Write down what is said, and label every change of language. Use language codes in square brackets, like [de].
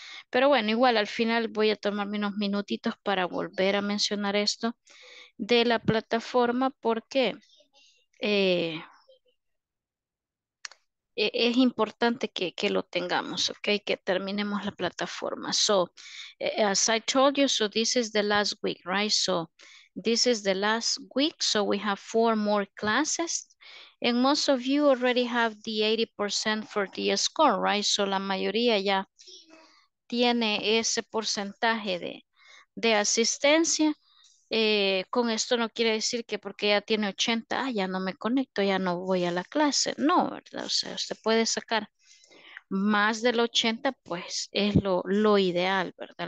[es] Pero bueno, igual al final voy a tomarme unos minutitos para volver a mencionar esto de la plataforma porque es importante que lo tengamos, okay, que terminemos la plataforma. [en] So, as I told you, so this is the last week, right? So, this is the last week, so we have 4 more classes. And most of you already have the 80% for the score, right? [es] So, la mayoría ya tiene ese porcentaje de asistencia. Con esto no quiere decir que porque ya tiene 80, ah, ya no me conecto, ya no voy a la clase. No, ¿verdad? O sea, usted puede sacar más del 80, pues es lo ideal, ¿verdad?